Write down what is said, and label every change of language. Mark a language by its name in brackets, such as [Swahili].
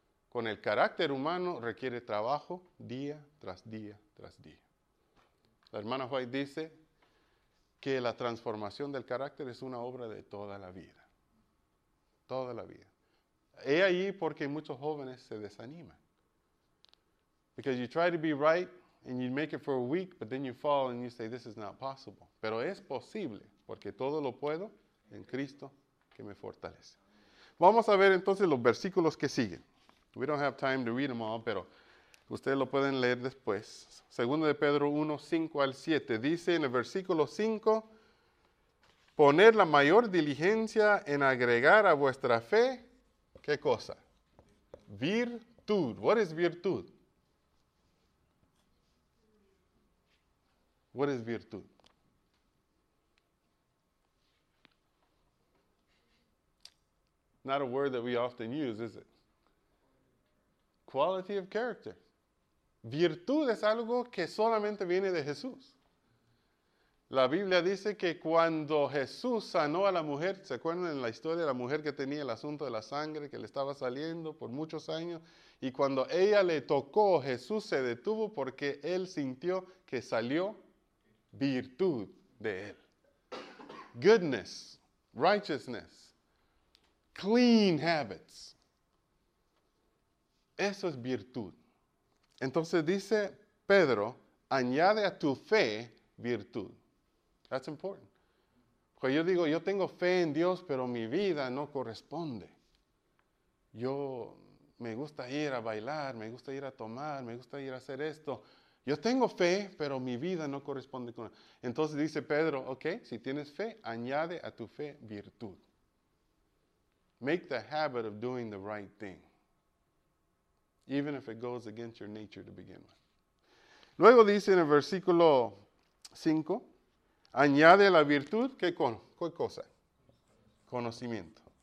[Spanish] Con el carácter humano requiere trabajo día tras día tras día. La hermana White dice que la transformación del carácter es una obra de toda la vida. Toda la vida. He ahí porque muchos jóvenes se desaniman. [English] Because you try to be right, and you make it for a week, but then you fall and you say, this is not possible. [Spanish] Pero es posible, porque todo lo puedo en Cristo que me fortalece. Vamos a ver entonces los versículos que siguen. [English] We don't have time to read them all, [Spanish] pero ustedes lo pueden leer después. Segundo de Pedro 1, 5 al 7. Dice en el versículo 5, poner la mayor diligencia en agregar a vuestra fe, ¿qué cosa? [English] Virtud. What is virtud? What is virtud? Not a word that we often use, is it? Quality of character. [Spanish] Virtud es algo que solamente viene de Jesús. La Biblia dice que cuando Jesús sanó a la mujer, ¿se acuerdan en la historia de la mujer que tenía el asunto de la sangre que le estaba saliendo por muchos años? Y cuando ella le tocó, Jesús se detuvo porque él sintió que salió virtud de él. [English] Goodness, righteousness, clean habits. [Spanish] Eso es virtud. Entonces dice Pedro, añade a tu fe virtud. [English] That's important. [Spanish] Cuando yo digo, yo tengo fe en Dios, pero mi vida no corresponde. Yo me gusta ir a bailar, me gusta ir a tomar, me gusta ir a hacer esto. Yo tengo fe, pero mi vida no corresponde con... Entonces dice Pedro, ok, si tienes fe, añade a tu fe virtud. [English] Make the habit of doing the right thing. Even if it goes against your nature to begin with. [Spanish] Luego dice en el versículo 5, añade a la virtud, ¿qué cosa? Conocimiento.